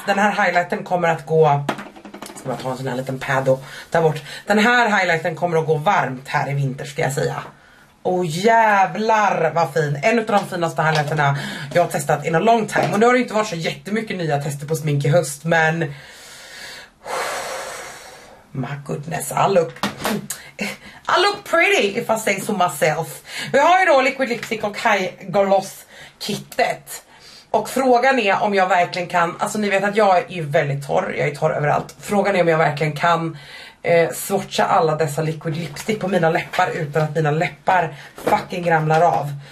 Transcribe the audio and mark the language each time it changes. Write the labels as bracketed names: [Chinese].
[Swedish] Den här highlighten kommer att gå. Ska bara ta en sån här liten pad och ta bort. Den här highlighten kommer att gå varmt här i vinter ska jag säga. Åh, jävlar vad fin. En av de finaste highlighterna jag har testat [English] in a long time. [Swedish] Och nu har det inte varit så jättemycket nya tester på smink i höst. [English] Men my goodness, I look pretty if I say so myself. [Swedish] Vi har ju då liquid lipstick och high gloss kittet. Och frågan är om jag verkligen kan, alltså ni vet att jag är ju väldigt torr, jag är torr överallt. Frågan är om jag verkligen kan swatcha alla dessa liquid lipstick på mina läppar utan att mina läppar fucking ramlar av.